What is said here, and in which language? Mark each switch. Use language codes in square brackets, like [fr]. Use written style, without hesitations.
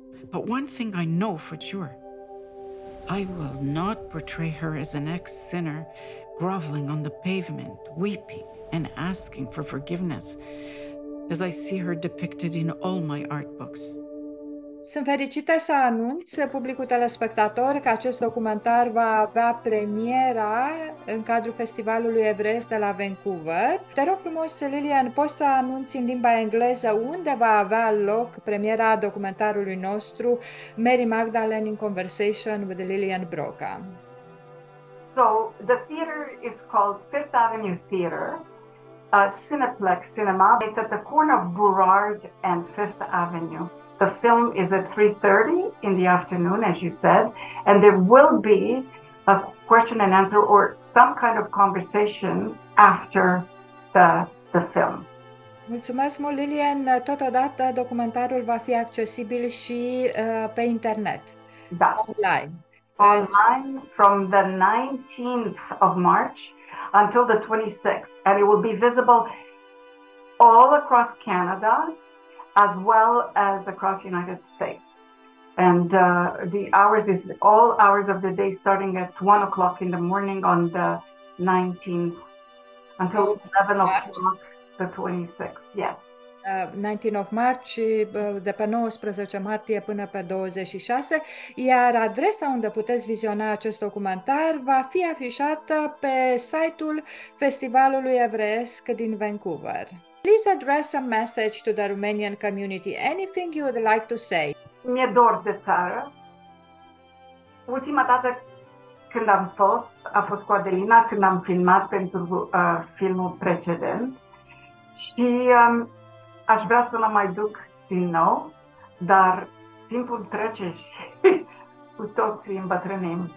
[en] But one thing I know for sure, I will not portray her as an ex-sinner groveling on the pavement, weeping and asking for forgiveness, as I see her depicted in all my art books. [ro] Sunt fericită să anunț publicul telespectator că acest documentar va avea premiera în cadrul Festivalului Evreiesc de la Vancouver. Te rog frumos, Lillian, poți să anunți în limba engleză unde va avea loc premiera documentarului nostru Mary Magdalene in Conversation with Lillian Broca. [en] So the theater is called Fifth Avenue Theater, a Cineplex Cinema. It's at the corner of Burrard and Fifth Avenue. The film is at 3:30 in the afternoon, as you said, and there will be a question and answer or some kind of conversation after the film. [ro] Mulțumesc mult, Lillian. Totodată, documentarul va fi accesibil și pe internet, da. [en] Online. Online from the 19th of March until the 26th, and it will be visible all across Canada as well as across the United States. And the hours is all hours of the day, starting at 1 o'clock in the morning on the 19th until 11 o'clock the 26th, yes. 19 of March, [ro] de pe 19 martie până pe 26, iar adresa unde puteți viziona acest documentar va fi afișată pe site-ul Festivalului Evreiesc din Vancouver. [en] Please address a message to the Romanian community. Anything you would like to say? [ro] Mi-e dor de țară. Ultima dată când am fost, a fost cu Adelina, când am filmat pentru filmul precedent. Și aș vrea să mă mai duc din nou, dar timpul trece și cu toții îmbătrânim.